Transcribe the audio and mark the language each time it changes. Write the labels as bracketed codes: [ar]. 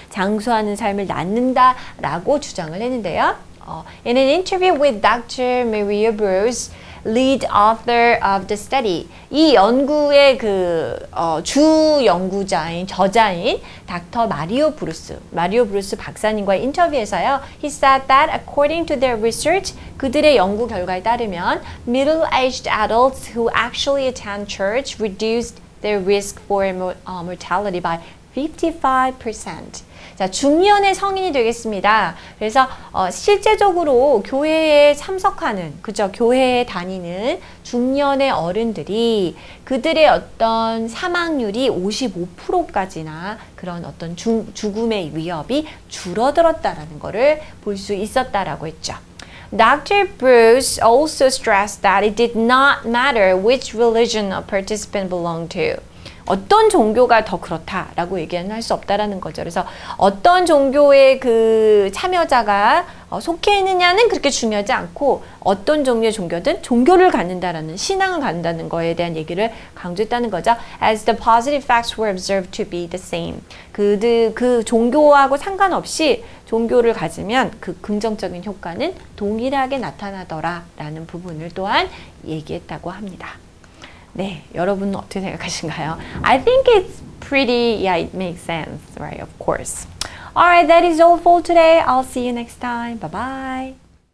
[ko] 장수하는 삶을 낳는다라고 주장을 했는데요. [en] In an interview with Dr. Maria Bruce, lead author of the study. [ko] 이 연구의 주 연구자인, 저자인 닥터 마리오 브루스 박사님과 인터뷰에서요. [en] He said that according to their research, [ko] 그들의 연구 결과에 따르면 [en] middle-aged adults who actually attend church reduced their risk for mortality by 55%. [ko] 자, 중년의 성인이 되겠습니다. 그래서 실제적으로 교회에 참석하는, 그죠? 교회에 다니는 중년의 어른들이 그들의 어떤 사망률이 55%까지나 그런 어떤 죽음의 위협이 줄어들었다라는 것을 볼 수 있었다라고 했죠. [en] Dr. Bruce also stressed that it did not matter which religion a participant belonged to. [ko] 어떤 종교가 더 그렇다라고 얘기는 할 수 없다라는 거죠. 그래서 어떤 종교의 그 참여자가 속해 있느냐는 그렇게 중요하지 않고, 어떤 종류의 종교든 종교를 갖는다라는, 신앙을 갖는다는 거에 대한 얘기를 강조했다는 거죠. [en] As the positive facts were observed to be the same. [ko] 그 종교하고 상관없이 종교를 가지면 그 긍정적인 효과는 동일하게 나타나더라라는 부분을 또한 얘기했다고 합니다. 여러분은 어떻게 생각하신가요? [en] I think it's pretty, yeah, it makes sense, right, of course. All right, that is all for today. I'll see you next time. Bye-bye.